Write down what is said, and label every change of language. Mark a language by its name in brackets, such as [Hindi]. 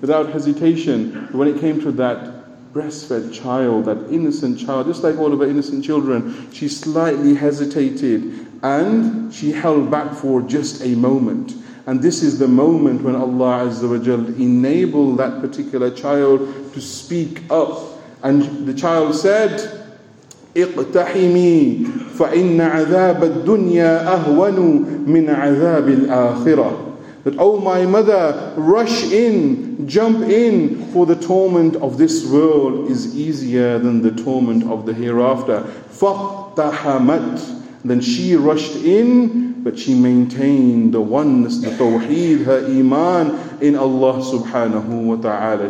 [English] without hesitation when it came to that breastfed child, that innocent child. Just like all of her innocent children, she slightly hesitated and she held back for just a moment. And this is the moment when Allah Azza wa Jal enabled that particular child to speak up. And the child said, [Arabic] اقتحمي فإن عذاب الدنيا أهون من عذاب الآخرة. [English] That, oh my mother, rush in, jump in, for the torment of this world is easier than the torment of the hereafter. [Arabic] فاقتحمت. [English] Then she rushed in, but she maintained the oneness, the tawheed, her iman in Allah subhanahu wa ta'ala.